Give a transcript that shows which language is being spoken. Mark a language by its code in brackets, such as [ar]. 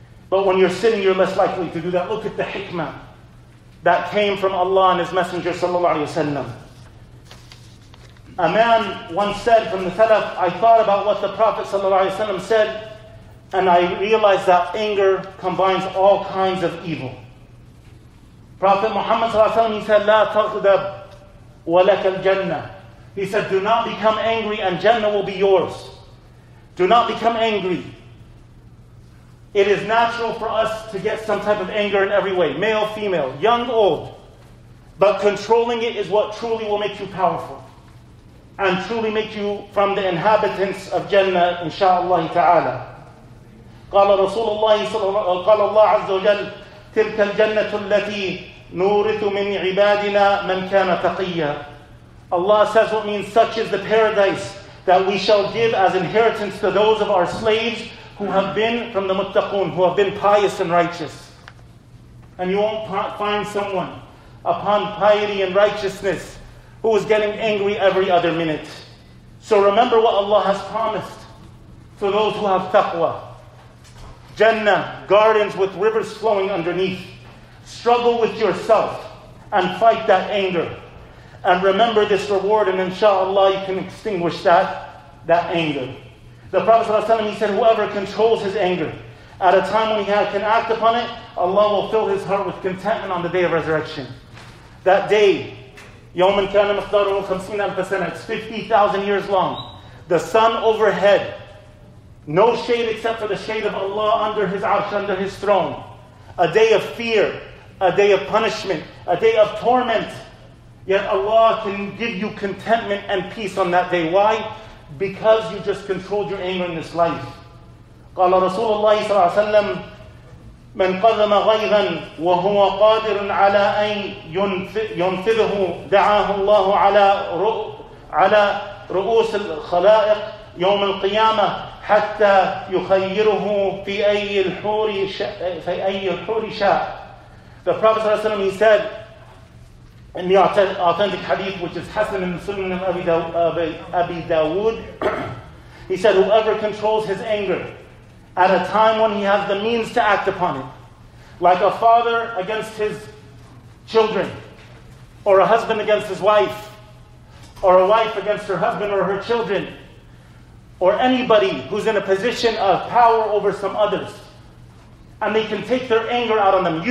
[en] But when you're sitting, you're less likely to do that. Look at the hikmah that came from Allah and His Messenger, sallallahu alayhi wa sallam. A man once said from the Salaf, I thought about what the Prophet ﷺ said, and I realized that anger combines all kinds of evil. Prophet Muhammad ﷺ, he said, [ar] لا تغضب ولك الجنة. [en] He said, do not become angry and Jannah will be yours. Do not become angry. It is natural for us to get some type of anger in every way, male, female, young, old. But controlling it is what truly will make you powerful. And truly make you from the inhabitants of Jannah, insha'Allah ta'ala. [ar] قال رسول الله صلى الله عليه وسلم قال الله عز وجل تلك الجنة التي نورث من عبادنا من كان تقيا. [en] Allah says what means such is the paradise that we shall give as inheritance to those of our slaves who have been from the muttaqun, who have been pious and righteous. And you won't find someone upon piety and righteousness who is getting angry every other minute. So remember what Allah has promised to those who have taqwa. Jannah, gardens with rivers flowing underneath. Struggle with yourself and fight that anger. And remember this reward, and inshallah you can extinguish that anger. The Prophet ﷺ, he said, whoever controls his anger at a time when he can act upon it, Allah will fill his heart with contentment on the day of resurrection. That day, [ar] يَوْمًا كَانَ مَخْدَرُهُ خَمْسِينَ أَلْفَ سَنَةٍ, [en] it's 50,000 years long. The sun overhead, no shade except for the shade of Allah under His arsh, under His throne. A day of fear, a day of punishment, a day of torment. Yet Allah can give you contentment and peace on that day. Why? Because you just controlled your anger in this life. [ar] قال رسول الله صلى الله عليه وسلم من قدم غيظا وهو قادر على أن ينفذه دعاه الله على رؤوس الخلائق يوم القيامة حتى يخيره في أي الحور في أي الحور شاء. [en] The Prophet صلى الله عليه وسلم, he said in the authentic hadith which is Hassan in the Sunan of Abi Dawood, he said, whoever controls his anger at a time when he has the means to act upon it, like a father against his children, or a husband against his wife, or a wife against her husband or her children, or anybody who's in a position of power over some others, and they can take their anger out on them.